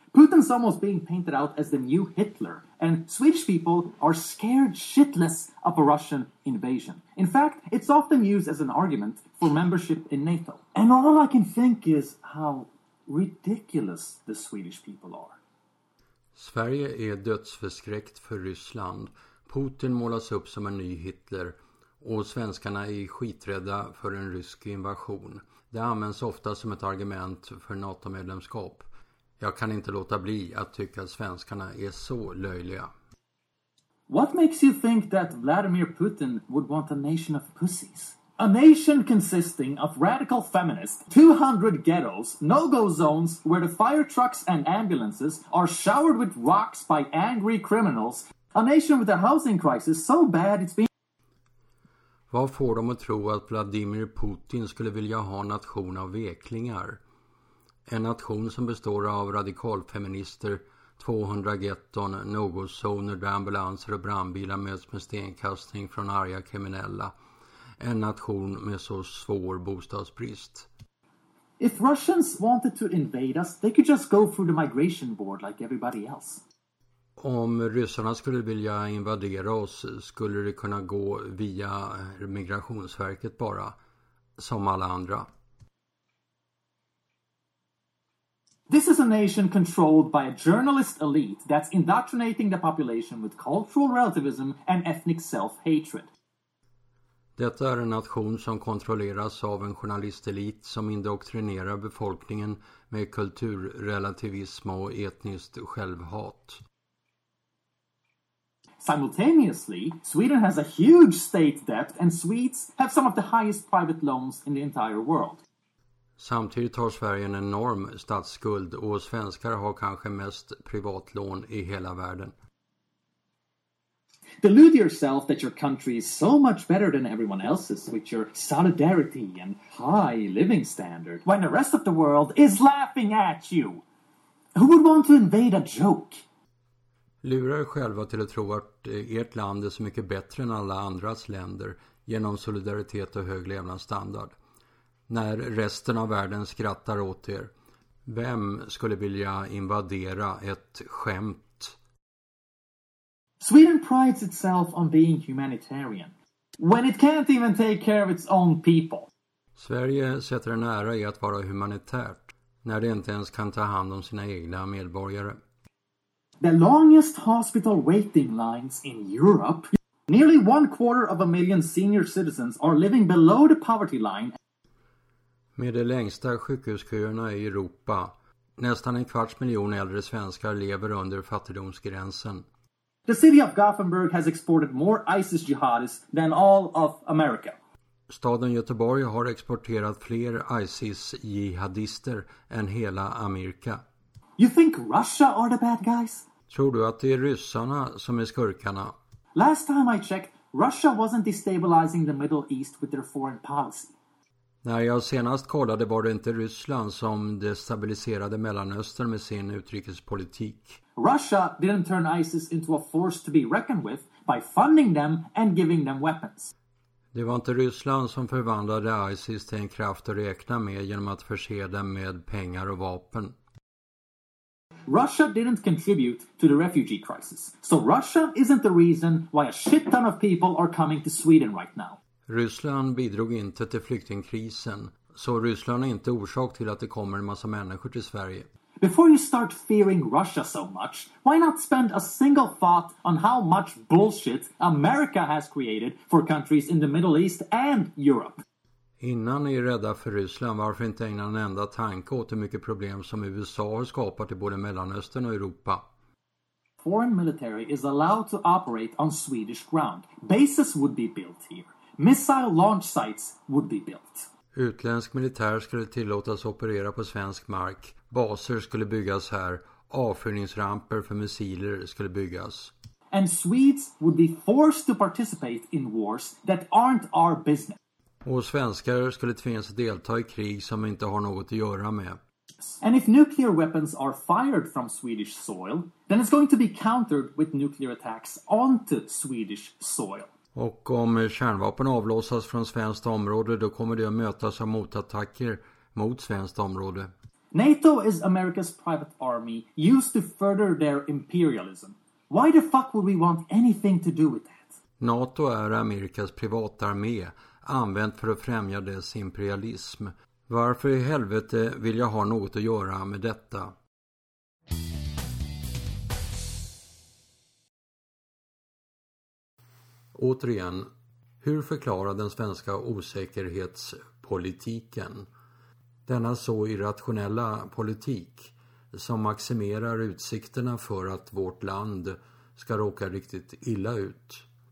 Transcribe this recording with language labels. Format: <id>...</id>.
<en>Putin's almost being painted out as the new Hitler. And Swedish people are scared shitless of a Russian invasion. In fact, it's often used as an argument for membership in NATO. And all I can think is how ridiculous the Swedish people are.</en> <sv>Sverige är dödsförskräckt för Ryssland. Putin målas upp som en ny Hitler. Och svenskarna är skiträdda för en rysk invasion. Det används ofta som ett argument för NATO-medlemskap. Jag kan inte låta bli att tycka att svenskarna är så löjliga.</sv> <en>What makes you think that Vladimir Putin would want a nation of pussies? A nation consisting of radical feminists, 200 ghettos, no-go zones where the fire trucks and ambulances are showered with rocks by angry criminals. A nation with a housing crisis so bad it's been...</en> <sv>Vad får de att tro att Vladimir Putin skulle vilja ha en nation av veklingar? En nation som består av radikalfeminister, 200 getton, no-go-zoner där ambulanser och brandbilar möts med stenkastning från arga kriminella. En nation med så svår bostadsbrist.</sv> <en>If Russians wanted to invade us, they could just go through the migration board like everybody else.</en> <sv>Om ryssarna skulle vilja invadera oss skulle det kunna gå via Migrationsverket bara, som alla andra.</sv> <en>This is a nation controlled by a journalist elite that's indoctrinating the population with cultural relativism and ethnic self-hatred.</en> <sv>Detta är en nation som kontrolleras av en journalistelit som indoktrinerar befolkningen med kulturrelativism och etniskt självhat.</sv> <en>Simultaneously, Sweden has a huge state debt and Swedes have some of the highest private loans in the entire world.</en> <sv>Samtidigt har Sverige en enorm statsskuld och svenskar har kanske mest privatlån i hela världen.</sv> <en>Delude yourself that your country is so much better than everyone else's with your solidarity and high living standard when the rest of the world is laughing at you. Who would want to invade a joke?</en> <sv>Lura er själva till att tro att ert land är så mycket bättre än alla andras länder genom solidaritet och hög levnadsstandard. När resten av världen skrattar åt er, vem skulle vilja invadera ett skämt?</sv> <en>Sweden prides itself on being humanitarian, when it can't even take care of its own people.</en> <sv>Sverige sätter en ära i att vara humanitärt, när det inte ens kan ta hand om sina egna medborgare.</sv> <en>The longest hospital waiting lines in Europe. Nearly 250,000 senior citizens are living below the poverty line.</en> <sv>Med de längsta sjukhusköerna i Europa. Nästan en kvarts miljon äldre svenskar lever under fattigdomsgränsen.</sv> <en>The city of Gothenburg has exported more ISIS jihadists than all of America.</en> <sv>Staden Göteborg har exporterat fler ISIS-jihadister än hela Amerika.</sv> <en>You think Russia are the bad guys?</en> <sv>Tror du att det är ryssarna som är skurkarna?</sv> <en>Last time I checked, Russia wasn't destabilizing the Middle East with their foreign policy.</en> <sv>När jag senast kollade var det inte Ryssland som destabiliserade Mellanöstern med sin utrikespolitik.</sv> <en>Russia didn't turn ISIS into a force to be reckoned with by funding them and giving them weapons.</en> <sv>Det var inte Ryssland som förvandlade ISIS till en kraft att räkna med genom att förse dem med pengar och vapen.</sv> <en>Russia didn't contribute to the refugee crisis. So Russia isn't the reason why a shit ton of people are coming to Sweden right now.</en> <sv>Ryssland bidrog inte till flyktingkrisen, så Ryssland är inte orsak till att det kommer en massa människor till Sverige.</sv> <en>Before you start fearing Russia so much, why not spend a single thought on how much bullshit America has created for countries in the Middle East and Europe?</en> <sv>Innan ni är rädda för Ryssland, varför inte ägna en enda tanke åt hur mycket problem som USA har skapat i både Mellanöstern och Europa?</sv> <en>Foreign military is allowed to operate on Swedish ground. Bases would be built here. Missile launch sites would be built.</en> <sv>Utländsk militär skulle tillåtas operera på svensk mark. Baser skulle byggas här. Avfyrningsramper för missiler skulle byggas.</sv> <en>And Swedes would be forced to participate in wars that aren't our business.</en> <sv>Och svenskar skulle tvingas delta i krig som inte har något att göra med.</sv> <en>And if nuclear weapons are fired from Swedish soil, then it's going to be countered with nuclear attacks onto Swedish soil.</en> <sv>Och om kärnvapen avlossas från svenskt område, då kommer det att mötas av motattacker mot svenskt område.</sv> <en>NATO is America's private army used to further their imperialism. Why the fuck would we want anything to do with that?</en> <sv>NATO är Amerikas privatarmé, använt för att främja dess imperialism. Varför i helvete vill jag ha något att göra med detta? Återigen, hur förklarar den svenska osäkerhetspolitiken denna så irrationella politik som maximerar utsikterna för att vårt land ska råka riktigt illa ut?</sv>